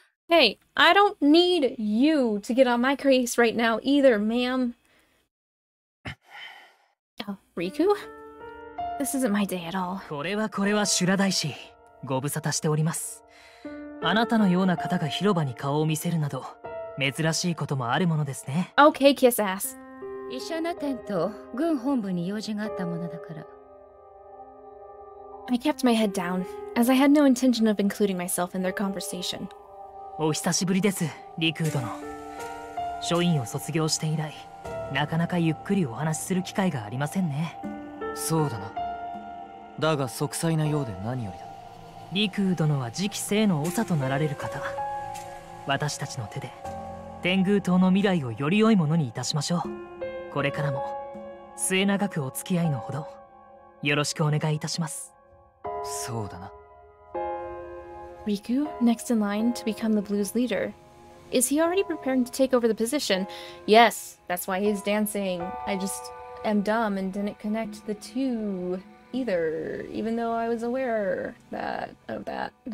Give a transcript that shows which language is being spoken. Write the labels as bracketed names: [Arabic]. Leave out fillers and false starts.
[English] Hey, I don't need you to get on my case right now either, ma'am. Oh, Riku? This isn't my day at all. [Japanese] これはこれは修羅大師。ご無沙汰しております。あなたのような方が広場に顔を見せるなど、珍しいこともあるものですね。 [English] Okay, kiss ass. [Japanese] 医者の店と軍本部に用事があったものだから。 [English] I kept my head down, as I had no intention of including myself in their conversation. [Japanese] お久しぶりです、リクー殿。書院を卒業して以来、なかなかゆっくりお話しする機会がありませんね。そうだな。だが息災なようで何よりだ。リクー殿は次期政の長となられる方。私たちの手で、天宮島の未来をより良いものにいたしましょう。これからも、末永くお付き合いのほど、よろしくお願いいたします。そうだな。 [English] Riku, next in line to become the blues leader. Is he already preparing to take over the position? Yes, that's why he's dancing. I just am dumb and didn't connect the two either, even though I was aware that of that.